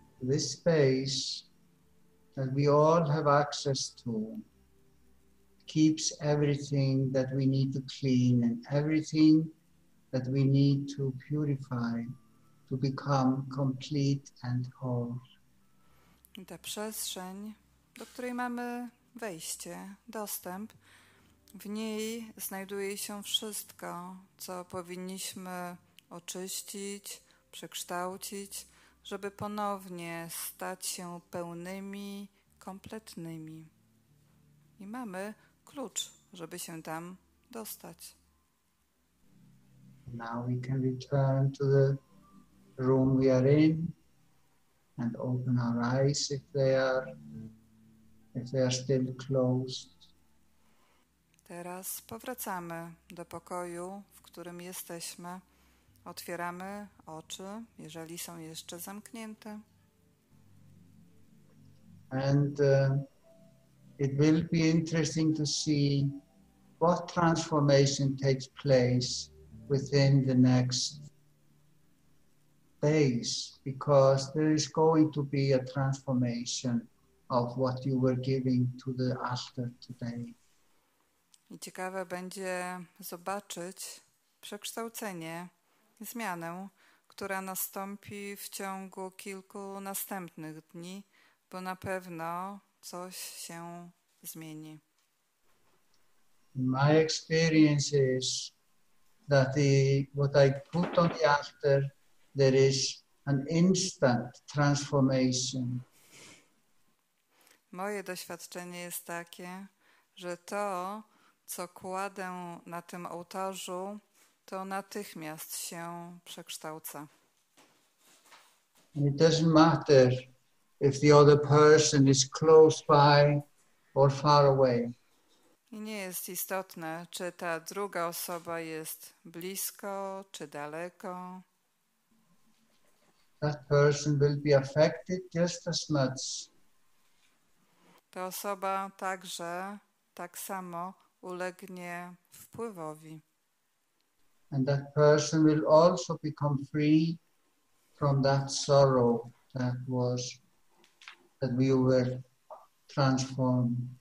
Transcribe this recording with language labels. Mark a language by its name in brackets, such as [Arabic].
[English] This space that we all have access to keeps everything that we need to clean and everything that we need to purify to become complete and whole. [Polish] Ta przestrzeń, do której mamy wejście, dostęp, w niej znajduje się wszystko, co powinniśmy oczyścić, przekształcić, żeby ponownie stać się pełnymi, kompletnymi. I mamy klucz, żeby się tam dostać. [English] Now we can return to the room we are in and open our eyes if they are still closed. [Polish] Teraz powracamy do pokoju, w którym jesteśmy. Otwieramy oczy, jeżeli są jeszcze zamknięte. [English] And it will be interesting to see what transformation takes place within the next days, because there is going to be a transformation of what you were giving to the altar today. [Polish] I ciekawe będzie zobaczyć przekształcenie, zmianę, która nastąpi w ciągu kilku następnych dni, bo na pewno coś się zmieni. [English] My experience is that what I put on the altar, there is an instant transformation. [Polish] Moje doświadczenie jest takie, że to, co kładę na tym ołtarzu, to natychmiast się przekształca. [English] It doesn't matter if the other person is close by or far away. [Polish] I nie jest istotne, czy ta druga osoba jest blisko, czy daleko. [English] That person will be affected just as much. [Polish] Ta osoba także tak samo ulegnie wpływowi. [English] And that person will also become free from that sorrow that we were transformed.